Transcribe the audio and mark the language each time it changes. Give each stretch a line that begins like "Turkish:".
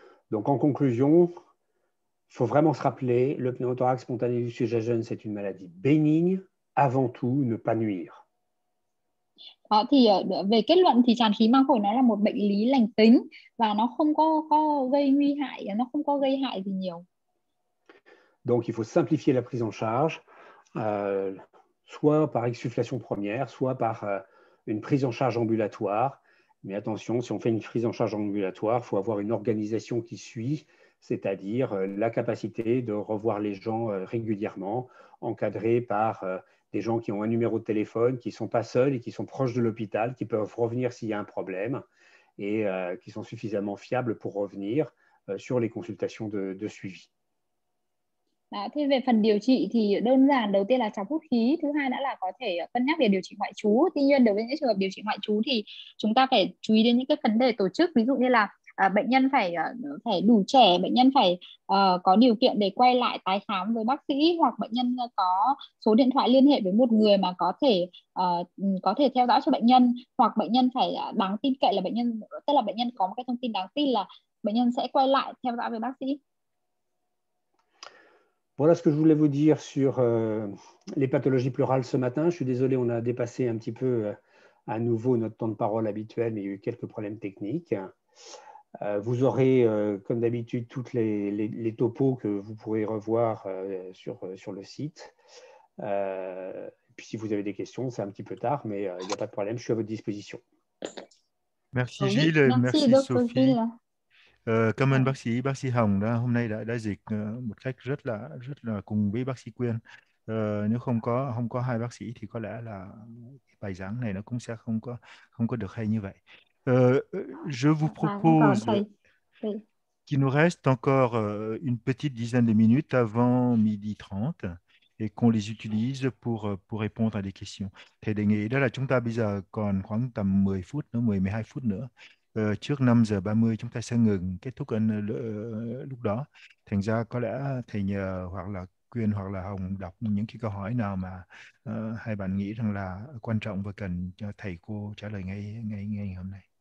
French: Donc en conclusion, il faut vraiment se rappeler, le pneumothorax spontané du sujet jeune, c'est une maladie bénigne, avant tout, ne pas nuire.
Vietnamese: Thì về kết luận thì tràn khí màng phổi nó là một bệnh lý lành tính và nó không có gây nguy hại, nó không có gây hại gì nhiều.
French: Donc il faut simplifier la prise en charge, soit par exsufflation première, soit par une prise en charge ambulatoire. Mais attention, si on fait une prise en charge ambulatoire, il faut avoir une organisation qui suit, c'est-à-dire la capacité de revoir les gens régulièrement, encadrés par des gens qui ont un numéro de téléphone, qui ne sont pas seuls et qui sont proches de l'hôpital, qui peuvent revenir s'il y a un problème et qui sont suffisamment fiables pour revenir sur les consultations de suivi.
Vietnamese: À, thế về phần điều trị thì đơn giản, đầu tiên là chọc hút khí, thứ hai đã là có thể cân nhắc về điều trị ngoại trú. Tuy nhiên đối với những trường hợp điều trị ngoại trú thì chúng ta phải chú ý đến những cái vấn đề tổ chức, ví dụ như là bệnh nhân phải đủ trẻ, bệnh nhân phải có điều kiện để quay lại tái khám với bác sĩ hoặc bệnh nhân có số điện thoại liên hệ với một người mà có thể theo dõi cho bệnh nhân hoặc bệnh nhân phải đáng tin cậy, là bệnh nhân, tức là bệnh nhân có một cái thông tin đáng tin là bệnh nhân sẽ quay lại theo dõi với bác sĩ.
French: Voilà ce que je voulais vous dire sur les pathologies pleurales ce matin. Je suis désolé, on a dépassé un petit peu à nouveau notre temps de parole habituel, mais il y a eu quelques problèmes techniques. Vous aurez, comme d'habitude, tous les topos que vous pourrez revoir sur le site. Puis si vous avez des questions, c'est un petit peu tard, mais il n'y a pas de problème, je suis à votre disposition. Merci Gilles, merci Sophie.
Vietnamese: Cảm ơn bác sĩ Hồng đã hôm nay đã dịch một cách rất là cùng với bác sĩ Quyên. Nếu không có hai bác sĩ thì có lẽ là bài giảng này nó cũng sẽ không có được hay như vậy.
French: Je vous propose qu'il nous reste encore une petite dizaine de minutes avant 12h30 et qu'on les utilise pour répondre à des questions.
Vietnamese: Thế đề nghị đó là chúng ta bây giờ còn khoảng tầm 10 phút nữa, 10-12 phút nữa. Trước 5h30 chúng ta sẽ ngừng kết thúc lúc đó. Thành ra có lẽ thầy nhờ hoặc là Quyên hoặc là Hồng đọc những cái câu hỏi nào mà hai bạn nghĩ rằng là quan trọng và cần cho thầy cô trả lời ngay hôm nay.